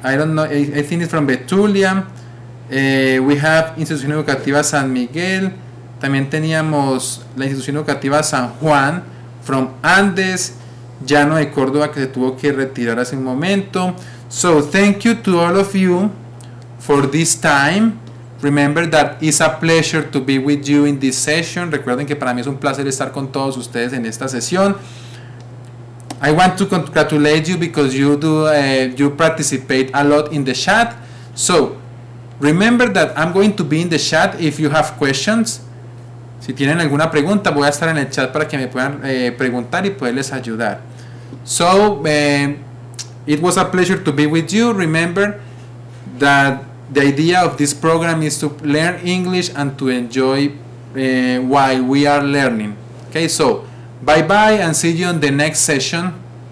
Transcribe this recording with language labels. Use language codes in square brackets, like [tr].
[en] I don't know, I think it's from Betulia. We have [es] Institución Educativa San Miguel, también teníamos la Institución Educativa San Juan, from Andes, Llano de Córdoba, que se tuvo que retirar hace un momento, [en] So thank you to all of you for this time. Remember that it's a pleasure to be with you in this session. [es] Recuerden que para mí es un placer estar con todos ustedes en esta sesión. [en] I want to congratulate you because you do you participate a lot in the chat. So remember that I'm going to be in the chat if you have questions. [es] Si tienen alguna pregunta, voy a estar en el chat para que me puedan preguntar y poderles ayudar. [en] So it was a pleasure to be with you. Remember that the idea of this program is to learn English and to enjoy while we are learning. Okay, so bye bye and see you on the next session.